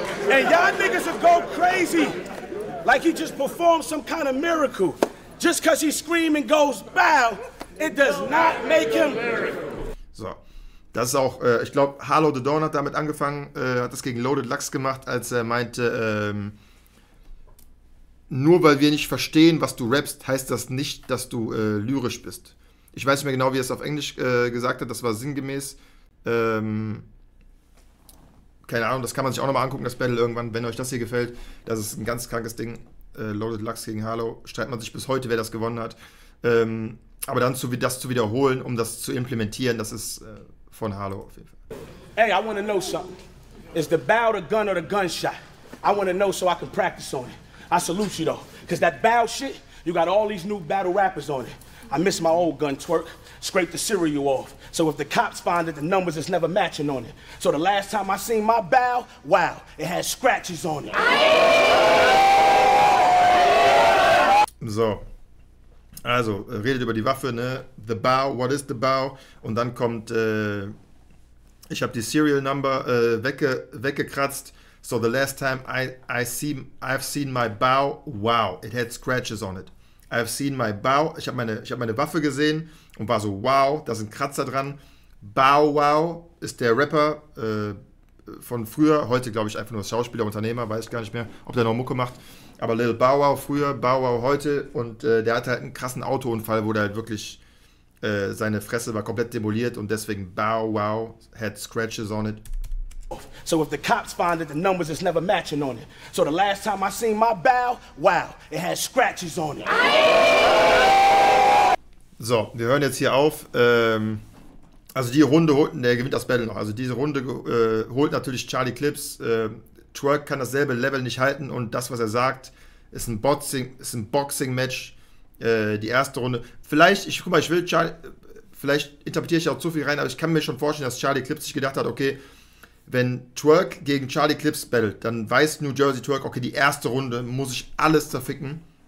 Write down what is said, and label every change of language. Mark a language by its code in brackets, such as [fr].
[en] And y'all niggas will go crazy like he just performed some kind of miracle. Just cause he screams and goes bow, it does not make him. [de] So, das ist auch, ich glaube, Harlow the Dawn hat damit angefangen, hat das gegen Loaded Lux gemacht, als er meinte, nur weil wir nicht verstehen, was du rappst, heißt das nicht, dass du lyrisch bist. Ich weiß nicht mehr genau, wie er es auf Englisch gesagt hat, das war sinngemäß. Keine Ahnung, das kann man sich auch nochmal angucken, das Battle irgendwann, wenn euch das hier gefällt. Das ist ein ganz krankes Ding. Loaded Lux gegen Harlow, streitet man sich bis heute, wer das gewonnen hat. Aber dann das zu wiederholen, um das zu implementieren, das ist von Harlow auf jeden Fall. [en] Hey, I want to know something. Is the bow the gun or the gunshot? I want to know so I can practice on it. I salute you though, because that bow shit, you got all these new battle rappers on it. I miss my old gun twerk, scrape the cereal off. So if the cops find it, the numbers is never matching on it. So the last time I seen my bow, wow, it had scratches on it. [de] So, also, redet über die Waffe, ne? [en] The bow, what is the bow? [de] Und dann kommt, ich habe die Serial Number weggekratzt. [en] So the last time I've seen my bow, wow, it had scratches on it. I've seen my bow. [de] Ich habe meine Waffe gesehen und war so, wow, da sind Kratzer dran. Bow Wow ist der Rapper von früher, heute glaube ich einfach nur Schauspieler, Unternehmer, weiß ich gar nicht mehr, ob der noch Mucke macht. Aber Lil Bow Wow früher, Bow Wow heute, und der hatte halt einen krassen Autounfall, wo der halt wirklich seine Fresse war komplett demoliert und deswegen [en] Bow Wow had scratches on it. So if the cops find it, the numbers is never matching on it. So the last time I seen my Bow Wow, it had scratches on it. [de] So, wir hören jetzt hier auf. Also die Runde holt, der gewinnt das Battle noch. Also diese Runde holt natürlich Charlie Clips. Twerk kann dasselbe Level nicht halten und das, was er sagt, ist ein Boxing, ist ein Boxing-Match. Die erste Runde. Vielleicht, ich guck mal, ich will Charlie, vielleicht interpretiere ich auch zu viel rein, aber ich kann mir schon vorstellen, dass Charlie Clips sich gedacht hat, okay, wenn Twerk gegen Charlie Clips battelt, dann weiß New Jersey Twerk, okay, die erste Runde muss ich alles zerficken.